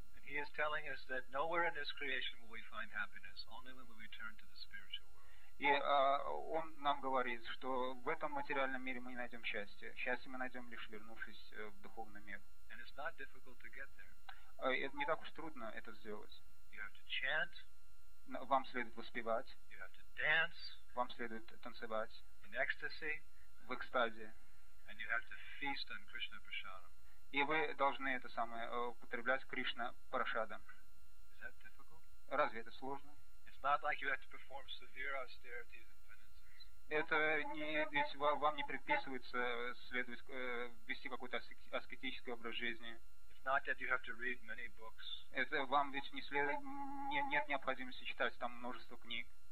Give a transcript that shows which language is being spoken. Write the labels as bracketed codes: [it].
[en] And he is telling us that nowhere in this creation will we find happiness, only when we return to the spiritual world. [ru] И он нам говорит, что в этом материальном мире мы не найдем счастья. Счастье мы найдем, лишь вернувшись в духовный мир. [en] And it's not difficult to get there. [ru] Это не так уж трудно это сделать. [en] You have to chant. [ru] Вам следует воспевать. [en] You have to dance. [ru] Вам следует танцевать. [en] In ecstasy. [ru] В экстазе. [en] And you have to feast on Krishna Prasadam. [ru] И вы должны это самое употреблять Кришна Прасадам. [en] Is that difficult? [ru] Разве это сложно? [en] It's not like you have to perform severe austerities. [ru] Это не, ведь вам не предписывается следовать, вести какой-то аскетический образ жизни. Это вам ведь не следует, нет необходимости читать там множество книг.